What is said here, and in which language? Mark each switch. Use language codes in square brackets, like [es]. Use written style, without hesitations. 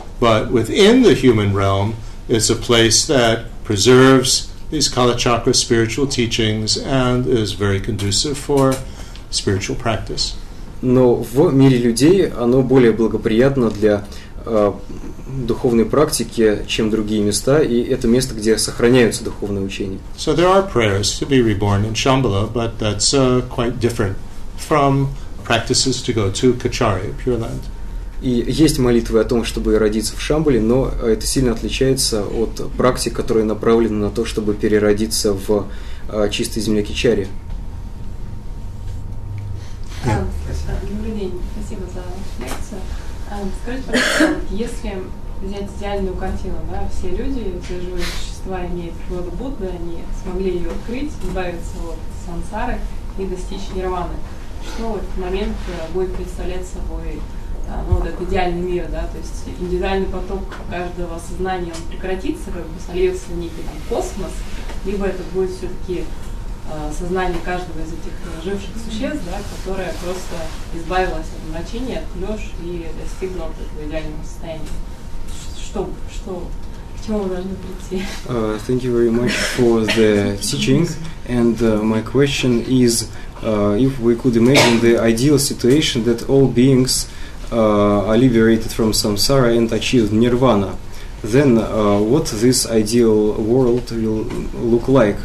[en] But within the human realm, it's a place that preserves these kalachakra spiritual teachings and is very conducive for spiritual practice. [ru] Но в мире людей оно более благоприятно для духовной практики, чем другие места, и это место, где сохраняются духовные учения. [en] So there are prayers to be reborn in Shambhala, but that's quite different from practices to go to Kachari, Pure Land. [ru] И есть молитвы о том, чтобы родиться в Шамбале, но это сильно отличается от практик, которые направлены на то, чтобы переродиться в чистой земле Кичари. Добрый день. Спасибо за лекцию. Скажите, пожалуйста, если взять идеальную картину, да, все люди, все живые существа имеют природу Будды, они смогли ее открыть, избавиться от сансары и достичь нирваны, что в этот момент будет представлять собой этот идеальный мир, да, то есть индивидуальный поток каждого сознания, он прекратится, как бы сольется некий там космос, либо это будет все-таки сознание каждого из этих живших существ, да, которое просто избавилось от мрачения, от клёш и достигло вот этого идеального состояния. Что, к чему вы должны прийти? [en] Thank you very much for the teaching, and my question is, if we could imagine the ideal situation that all beings are liberated from samsara and achieve nirvana, then what this ideal world will look like?